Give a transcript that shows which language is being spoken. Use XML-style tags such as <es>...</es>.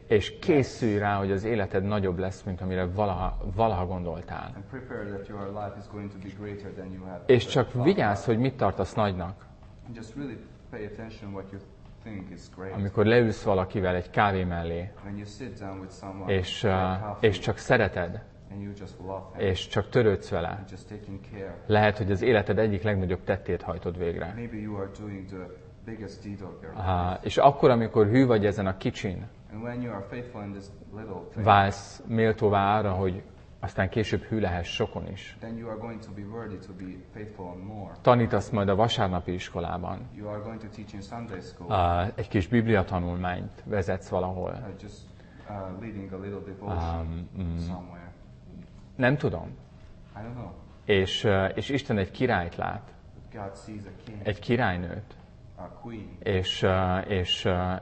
<hu>és készülj rá, hogy az életed nagyobb lesz, mint amire valaha gondoltál.</hu> <en>And prepare that your life is going to be greater than you have.</en> <hu>És csak vigyázz, hogy mit tartasz nagynak.</hu> <en>Just really pay attention what you think is great.</en> <hu>Amikor leülsz valakivel egy kávé mellé,</hu> <en>when you sit down with someone,</en> <hu>és csak szereted,</hu> <en>and you just love him,</en> <hu>és csak törődsz vele,</hu> <en>and just taking care.</en> <hu>Lehet, hogy az életed egyik legnagyobb tettét hajtod végre.</hu> <en>Maybe you are doing the biggest deed of your life.</en> <hu>És akkor, amikor hű vagy ezen a kicsin,</hu> <en>and when you are faithful in this little thing,</en> <hu>válsz méltóvá arra, hogy aztán később hű lehess sokon is.</hu> <en>Then you are going to be worthy to be faithful on more.</en> <hu>Tanítasz majd a vasárnapi iskolában.</hu> <en>You are going to teach in Sunday school.</en> <hu>Egy kis biblia tanulmányt vezetsz valahol.</hu> <en>Leading a little devotion somewhere.</en> <hu>Nem tudom.</hu> <en>I don't know.</en> <hu>És Isten egy királyt lát.</hu> <en>God sees a king.</en> <hu>Egy királynőt.</hu> <en>A queen.</en>